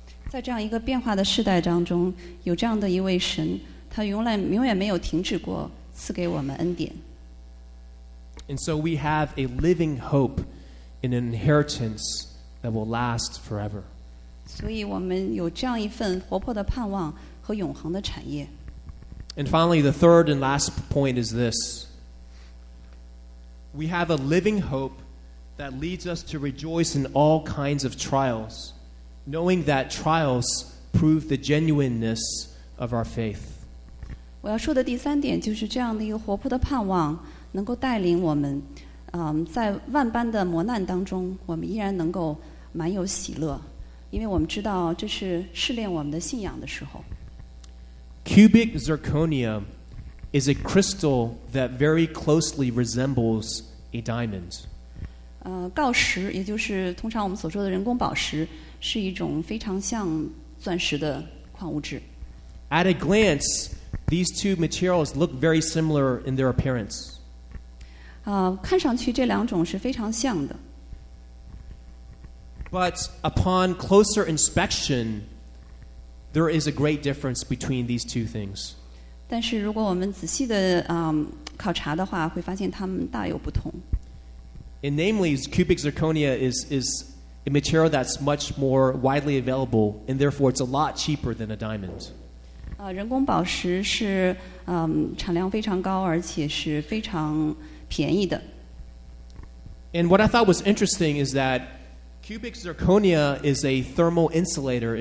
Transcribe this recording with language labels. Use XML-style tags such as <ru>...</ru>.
<zh>在这样一个变化的世代当中，有这样的一位神，他永远没有停止过赐给我们恩典。</zh> <en>And so we have a living hope in an inheritance that will last forever.</en> <zh>所以我们有这样一份活泼的盼望和永恒的产业。</zh> <en>And finally, the third and last point is this. We have a living hope that leads us to rejoice in all kinds of trials, knowing that trials prove the genuineness of our faith.</en> <zh>我要说的第三点就是这样的一个活泼的盼望能够带领我们在万般的磨难当中我们依然能够满有喜乐，因为我们知道这是试炼我们的信仰的时候。</zh> <en>Cubic zirconia is a crystal that very closely resembles a diamond.</en> <zh>锆石，也就是通常我们所说的人工宝石，是一种非常像钻石的矿物质。</zh> <en>At a glance, these two materials look very similar in their appearance.</en> <zh>看上去这两种是非常像的。</zh> <en>But upon closer inspection, there is a great difference between these two things.</en> <zh>但是如果我们仔细的考察的话，会发现它们大有不同。</zh> <en>And namely, cubic zirconia is a material that's much more widely available, and therefore it's a lot cheaper than a diamond.</en> <zh>人工宝石是产量非常高，而且是非常便宜的。</zh> <en>And what I thought was interesting is that cubic zirconia is a thermal insulator.</en>